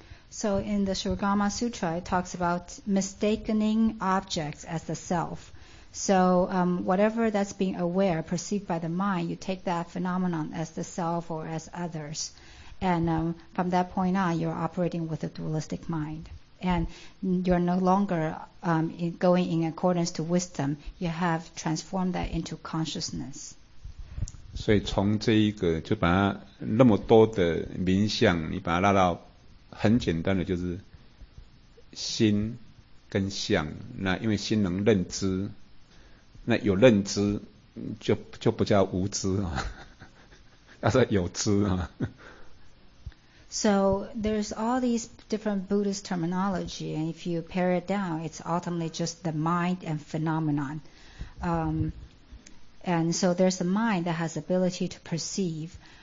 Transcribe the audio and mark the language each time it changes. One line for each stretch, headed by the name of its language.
English: So in the Shirogama Sutra, it talks about mistakening objects as the self. So whatever that's being aware, perceived by the mind, you take that phenomenon as the self or as others. And from that point on, you're operating with a dualistic mind. And you're no longer going in accordance to wisdom. You have transformed that into consciousness.
Chinese: 所以从这一个就把它那么多的冥想，你把它拉到很简单的就是心跟相，那因为心能认知，那有认知就不叫无知啊，要说有知啊。
English: So there's all these different Buddhist terminology, and if you pare it down, it's ultimately just the mind and phenomenon. And so there's a mind that has ability to perceive.